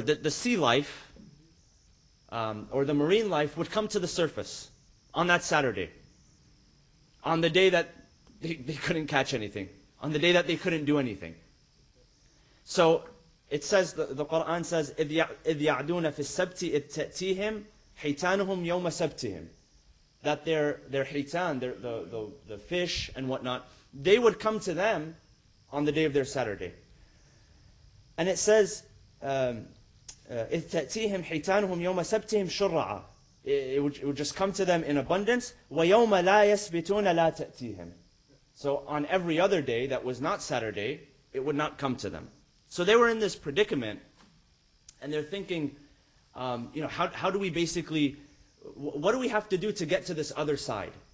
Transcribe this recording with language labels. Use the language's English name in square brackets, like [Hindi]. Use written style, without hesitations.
[English] sea life or the marine life would come to the surface on that Saturday, on the day that they couldn't catch anything, on the day that they couldn't do anything. So it says, the Quran says, [Arabic] إِذْ يَعْدُونَ فِي السَّبْتِ إِذْ تَأْتِيهِمْ حِيْتَانُهُمْ يَوْمَ سَبْتِهِمْ. [English] That their حِيْتَان, the fish and whatnot, they would come to them on the day of their Saturday. And it says, [Arabic] إِذْ تَأْتِيهِمْ حِيْتَانُهُمْ يَوْمَ سَبْتِهِمْ شُرَّعَ. [English] It would just come to them in abundance. [Arabic] وَيَوْمَ لَا يَسْبِتُونَ لَا تَأْتِيهِمْ. [English] So on every other day that was not Saturday, it would not come to them. So they were in this predicament, and they're thinking, how do we basically, what do we have to do to get to this other side?